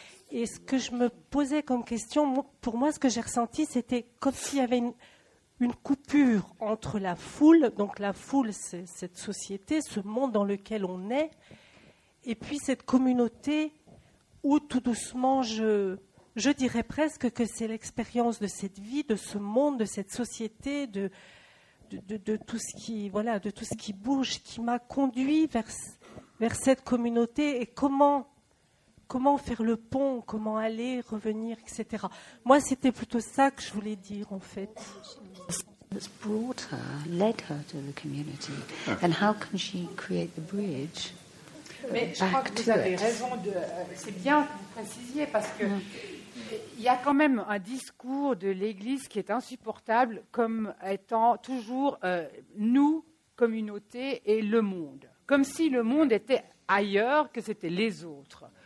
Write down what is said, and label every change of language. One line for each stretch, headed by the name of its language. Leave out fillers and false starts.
French: Et ce que je me posais comme question, pour moi, ce que j'ai ressenti, c'était comme s'il y avait une coupure entre la foule, donc la foule, c'est cette société, ce monde dans lequel on est, et puis cette communauté où, tout doucement, je dirais presque que c'est l'expérience de cette vie, de ce monde, de cette société, de tout ce qui bouge, qui m'a conduit vers vers cette communauté et comment faire le pont, comment aller, revenir, etc. Moi, c'était plutôt ça que je voulais dire, en fait.
English: That's brought her, led her to the community, and how can she create the bridge?
French: Mais je crois que vous avez raison de. C'est bien que vous précisiez parce que il y a quand même un discours de l'Église qui est insupportable comme étant toujours nous, communauté et le monde, comme si le monde était ailleurs, que c'était les autres.